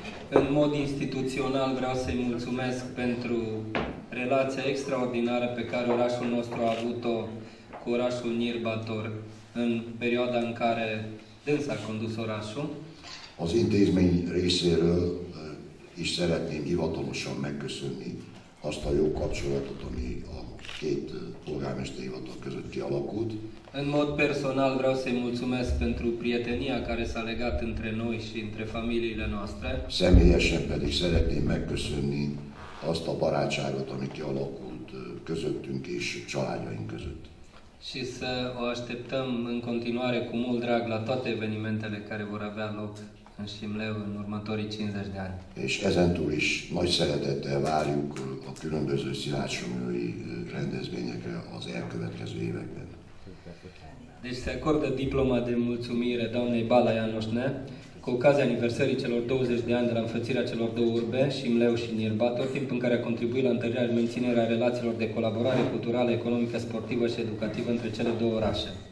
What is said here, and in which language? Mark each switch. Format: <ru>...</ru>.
<ro>În mod instituțional vreau să-i mulțumesc pentru relația extraordinară pe care orașul nostru a avut-o cu orașul Nyilvántor în perioada în care dânsa a condus orașul.</ro> <hu>Az intézmény részéről is szeretném hivatalosan megköszönni azt a jó kapcsolatot, ami a két polgármesteri hivatal között kialakult.</hu> <ro>În mod personal vreau să-i mulțumesc pentru prietenia care s-a legat între noi și între familiile noastre.</ro> <hu>Személyesen pedig szeretném megköszönni azt a barátságot, ami kialakult közöttünk és családjaink között.</hu> <ro>Și să o așteptăm în continuare cu mult drag la toate evenimentele care vor avea loc în Simleu în următorii 50 de ani.</ro> <hu>És ezentúl is nagy szeretettel várjuk a különböző szilágysomlyói rendezvényekre az elkövetkező években.</hu> <ro>Deci se acordă diploma de mulțumire doamnei Bala Ianoșne cu ocazia aniversării celor 20 de ani de la înfățirea celor două urbe, Șimleu și Nirbator, timp în care a contribuit la întărirea și menținerea relațiilor de colaborare culturală, economică, sportivă și educativă între cele două orașe.</ro>